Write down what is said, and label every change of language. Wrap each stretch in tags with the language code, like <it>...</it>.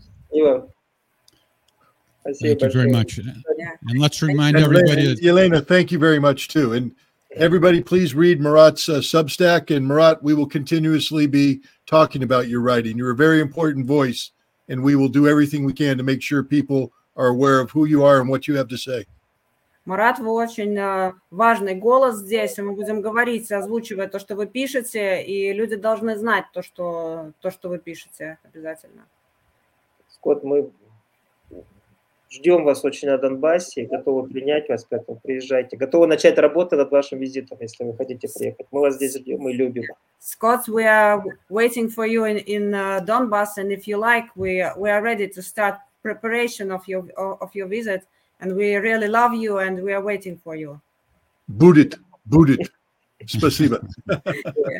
<en>Thank you very much. And let's remind everybody. Yelena, thank you very much, too. And everybody, please read Murat's Substack. And Murat, we will continuously be talking about your writing. You're a very important voice, and we will do everything we can to make sure people are aware of who you are and what you have to say.</en> <ru>Марат, вы очень важный голос здесь, и мы будем говорить, озвучивая то, что вы пишете, и люди должны знать то, что вы пишете обязательно. Скотт, мы ждем вас очень на Донбассе, готовы принять вас, поэтому приезжайте. Готовы начать работу над вашим визитом, если вы хотите приехать. Мы вас здесь ждем и любим.</ru> <en>Скотт, we are waiting for you in Donbass, and if you like, we are ready to start preparation of your visit. And we really love you, and we are waiting for you.</en> <ru>Будет. Спасибо.</ru> <en>Yeah.</en>